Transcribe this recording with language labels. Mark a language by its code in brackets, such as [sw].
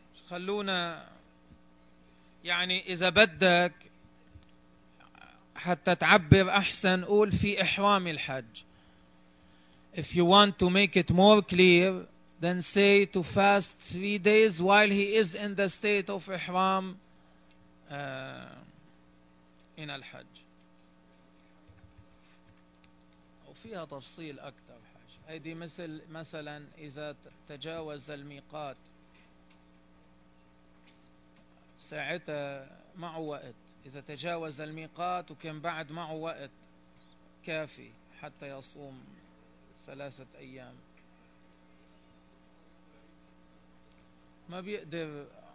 [ar] خلونا يعني إذا بدك حتى تعبر أحسن قول في إحرام الحج. [en] If you want to make it more clear, then say to fast 3 days while he is in the state of Ihram in Al-Hajj. [ar] وفيها تفصيل أكثر حاجة. هيدي مثل مثلا إذا تجاوز الميقات ساعتها معه وقت. إذا تجاوز الميقات وكان بعد معه وقت كافي حتى يصوم 3 أيام ما بيقدر.